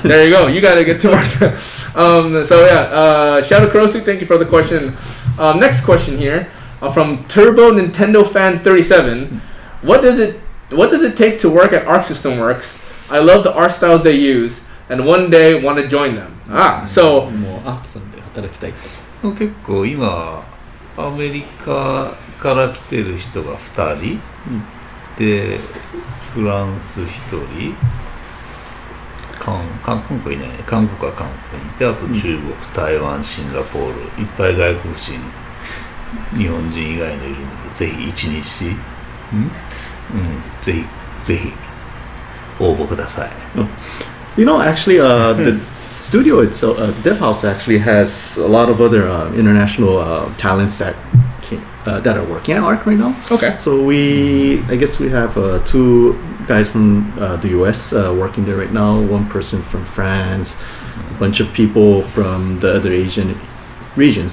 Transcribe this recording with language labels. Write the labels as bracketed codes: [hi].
[en] There you go, you gotta get to work. Shadow Kurosu, thank you for the question. Next question here, from Turbo Nintendo Fan 37. What does it take to work at Arc System Works? I love the art styles they use. and one day want to join them. Ah, so. [ja] もう、あ、そんで働きたい。結構今アメリカから来てる人が2人で、フランス1人、韓国は韓国にいて、あと中国、台湾、シンガポール、いっぱい外国人、日本人以外のいるので、ぜひ1日、うん、ぜひ応募ください。 [en] You know, actually, the studio itself, the dev house actually has a lot of other international talents that that are working at ARC right now. Okay. So we, I guess we have two guys from the US working there right now, one person from France, a bunch of people from the other Asian regions.